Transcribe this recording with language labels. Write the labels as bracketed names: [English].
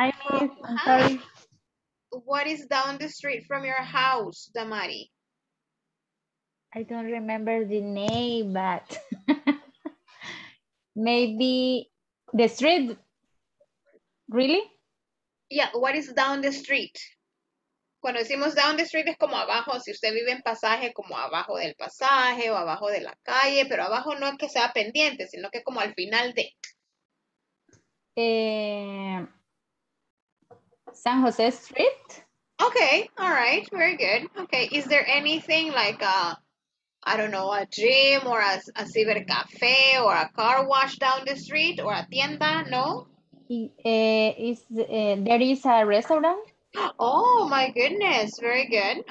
[English] Hi, from, I'm sorry. What is down the street from your house, Damari? I don't remember the name, but maybe the street. Really? Yeah, what is down the street? [Spanish] Cuando decimos down the street es como abajo, si usted vive en pasaje, como abajo del pasaje o abajo de la calle, pero abajo no es que sea pendiente, sino que como al final de. [English] San Jose Street. Okay, all right, very good. Okay, is there anything like a, I don't know, a gym or a cyber cafe or a car wash down the street or a tienda, no? There is a restaurant. Oh my goodness, very good.